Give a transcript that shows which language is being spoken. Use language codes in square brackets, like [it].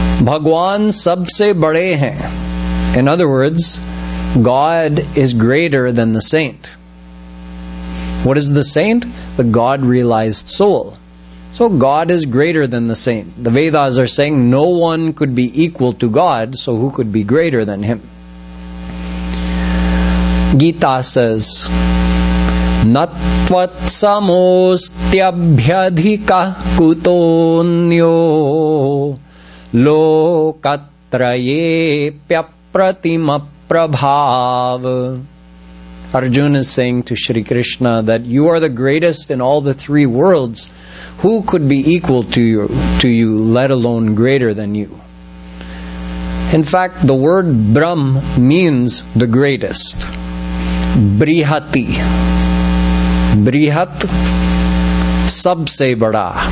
[hi] भगवान सबसे बड़े हैं। [en] In other words, God is greater than the saint. What is the saint? The God-realized soul. So God is greater than the saint. The Vedas are saying no one could be equal to God, so who could be greater than him? [sa] Gita says, Natvat samostyabhyadhika kutonyo lokatraye pyapratima prabhav. [en] Arjuna is saying to Shri Krishna that you are the greatest in all the three worlds. Who could be equal to you, let alone greater than you? In fact, the word Brahm means the greatest. [sa] Brihati. [hi] बृहत सबसे बड़ा।